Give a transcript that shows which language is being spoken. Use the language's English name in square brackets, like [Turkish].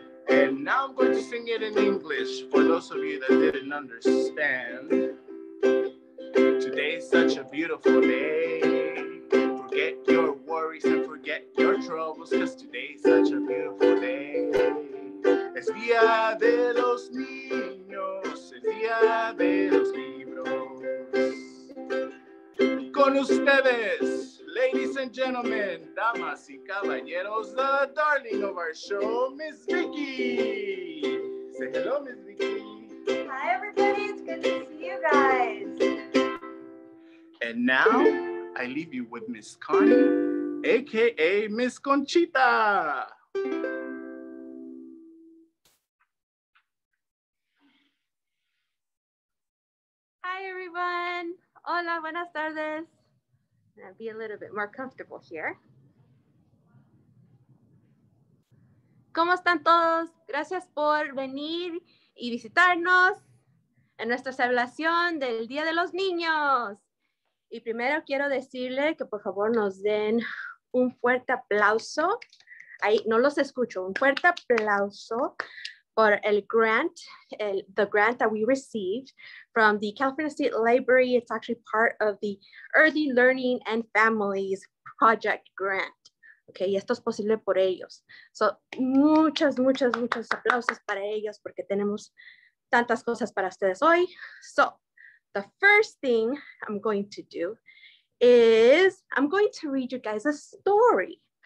[English] And now I'm going to sing it in English for those of you that didn't understand. Today's such a beautiful day. Forget your worries and forget your troubles, because today's such a beautiful day. [Spanish] Es día de los niños, es día de los libros. Con ustedes, [English] ladies and gentlemen, [Spanish] damas y caballeros, [English] the darling of our show, Miss Vicky. Say hello, Miss Vicky. Hi, everybody. It's good to see you guys. And now, I leave you with Miss Connie, a.k.a. Miss Conchita. Hi, everyone. [Spanish] Hola, buenas tardes. [English] I'll be a little bit more comfortable here. [Spanish] ¿Cómo están todos? Gracias por venir y visitarnos en nuestra celebración del Día de los Niños. Y primero quiero decirle que por favor nos den un fuerte aplauso. Ahí no los escucho. Un fuerte aplauso [English] for the grant that we received from the California State Library. It's actually part of the Early Learning and Families Project Grant. [Spanish] Okay, y esto es posible por ellos. So, muchos aplausos para ellos porque tenemos tantas cosas para ustedes hoy. [English] So, the first thing I'm going to do is I'm going to read you guys a story.